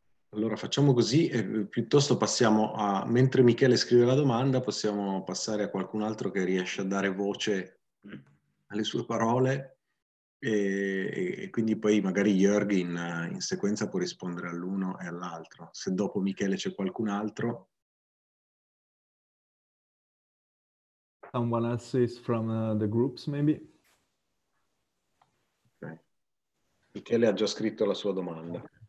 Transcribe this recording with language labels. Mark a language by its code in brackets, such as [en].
[it] Allora facciamo così e piuttosto passiamo a... Mentre Michele scrive la domanda, possiamo passare a qualcun altro che riesce a dare voce alle sue parole. E quindi poi magari Jörg in sequenza può rispondere all'uno e all'altro. Se dopo Michele c'è qualcun altro. [en] Someone else is from the groups, maybe. Okay. [it] Michele ha già scritto la sua domanda.